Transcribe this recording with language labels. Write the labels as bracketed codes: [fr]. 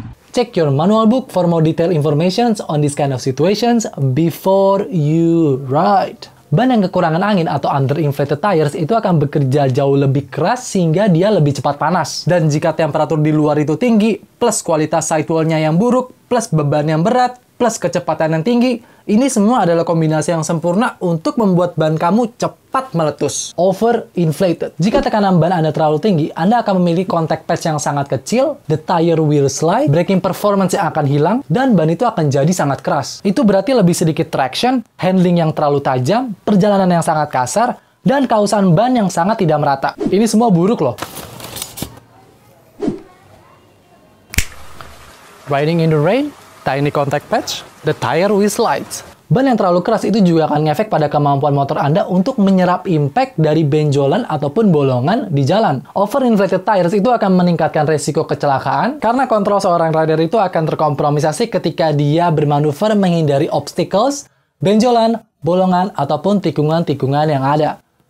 [en] Check your manual book for more detailed information on this kind of situations before you ride. [id] Ban yang kekurangan angin atau underinflated tires itu akan bekerja jauh lebih keras sehingga dia lebih cepat panas. Dan jika temperatur di luar itu tinggi, plus kualitas sidewallnya yang buruk, plus beban yang berat, plus kecepatan yang tinggi, ini semua adalah kombinasi yang sempurna untuk membuat ban kamu cepat meletus. Overinflated. Jika tekanan ban Anda terlalu tinggi, Anda akan memiliki contact patch yang sangat kecil, [en] the tire will slide, [id] braking performance yang akan hilang, dan ban itu akan jadi sangat keras. Itu berarti lebih sedikit traction, handling yang terlalu tajam, perjalanan yang sangat kasar, dan kausan ban yang sangat tidak merata. Ini semua buruk loh. [en] Riding in the rain? Tiny contact patch, the tire will slide. [id] Ban yang terlalu keras itu juga akan ngefek pada kemampuan motor Anda untuk menyerap impact dari benjolan ataupun bolongan di jalan. Overinflated tires itu akan meningkatkan resiko kecelakaan karena kontrol seorang rider itu akan terkompromisasi ketika dia bermanuver menghindari obstacles, benjolan, bolongan, ataupun tikungan-tikungan yang ada.